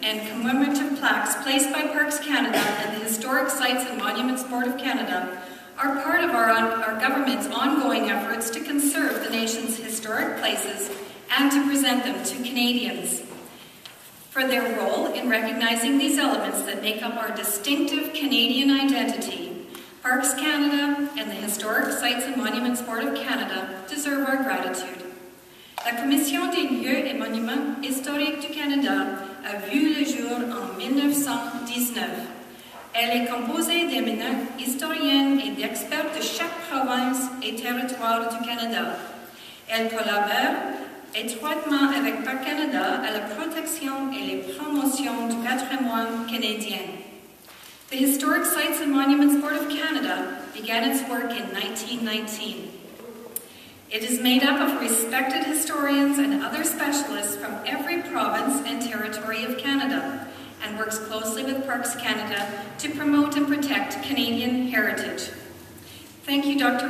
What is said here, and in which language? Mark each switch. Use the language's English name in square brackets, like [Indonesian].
[English] and commemorative plaques placed by Parks Canada and the Historic Sites and Monuments Board of Canada are part of our government's ongoing efforts to conserve the nation's historic places and to present them to Canadians. For their role in recognizing these elements that make up our distinctive Canadian identity, Parks Canada and the Historic Sites and Monuments Board of Canada deserve our gratitude. [French] La Commission des lieux et monuments historiques du Canada a vu le jour en 1919. Elle est composée d'éminents historiens et d'experts de chaque province et territoire du Canada. Elle collabore étroitement avec Parc Canada à la protection et la promotion du patrimoine canadien. [English] The Historic Sites and Monuments Board of Canada began its work in 1919. It is made up of respected historians and other specialists from every province and territory of Canada and works closely with Parks Canada to promote and protect Canadian heritage. Thank you, Dr.